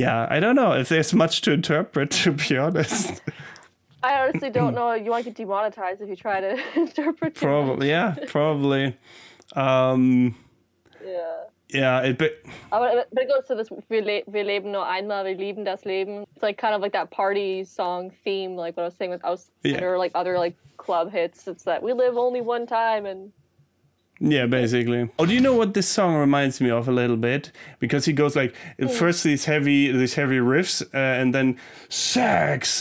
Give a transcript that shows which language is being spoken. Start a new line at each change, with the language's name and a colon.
English: I don't know if there's much to interpret, to be honest. I honestly don't know. You might get demonetized if you try to interpret it. Probably. Yeah, it, but it goes to this,
German: wir leben nur einmal, wir lieben das Leben.
English: It's like kind of like that party song theme, like what I was saying with Aus, yeah, or like other like club hits. It's that we live only one time. And yeah, basically. Oh, do you know what this song reminds me of a little bit? Because he goes like, first these heavy riffs, and then sax.